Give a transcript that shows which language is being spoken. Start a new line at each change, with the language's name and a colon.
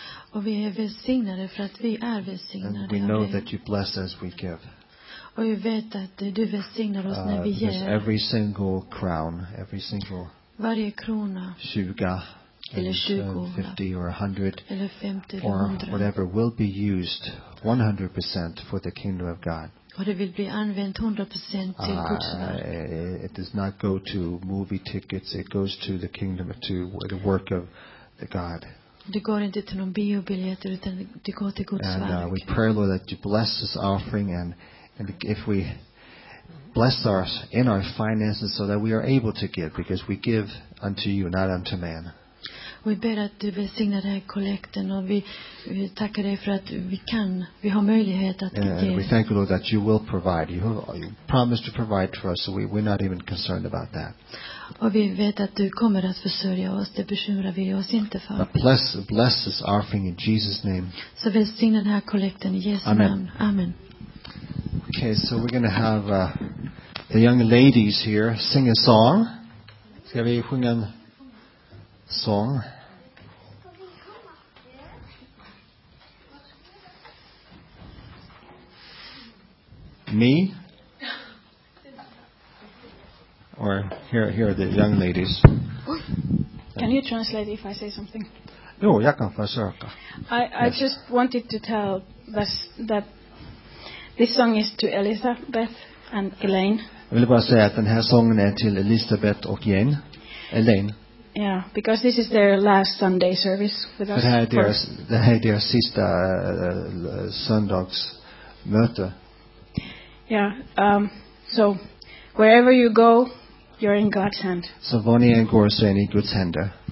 Swedish: Och vi är välsignade för att vi är välsignade.
English: And we know that you bless as we give.
Swedish: Och vi vet att du välsignar oss när vi ger.
English: Every single crown, every single
Swedish: varje krona,
English: 20
Swedish: eller 20,
English: 50 or 100
Swedish: eller 50 eller 100
English: or whatever will be used 100% for the kingdom of God.
Swedish: Och det vill bli använt 100% till Guds verk.
English: It does not go to movie tickets. It goes to the kingdom, to the work of the God.
Swedish: Det går inte till någon biobiljett utan det går till Guds verk.
English: And we pray, Lord, that you bless this offering, and if we bless us in our finances so that we are able to give, because we give unto you, not unto man.
Swedish: Vi ber att du välsignar den här kollekten och vi tackar dig för att vi har möjlighet att ge.
English: We thank you, Lord, that you will provide. You promised to provide for us, so we're not even concerned about that.
Swedish: Och vi vet att du kommer att försörja oss. Det bekymrar vi oss inte för.
English: Bless this offering in Jesus' name.
Swedish: Så välsigna den här kollekten I Jesu namn. Amen.
English: Okay, so we're going to have the young ladies here sing a song.
Swedish: Ska vi sjunga en song?
English: Me? Or here are the young ladies. Can you translate if I say something?
Swedish: Jo, jag kan försöka.
English: I just wanted to tell that this song is to Elizabeth and Elaine.
Swedish: Jag vill bara säga att den här sången är till Elizabeth och Jane.
English: Elaine. Yeah, because this is their last Sunday service with us.
Swedish: Det här är deras sista söndagsmöte.
English: Yeah, so wherever you go, you're in God's hand.
Swedish: Så var ni än går så är ni I Guds händer.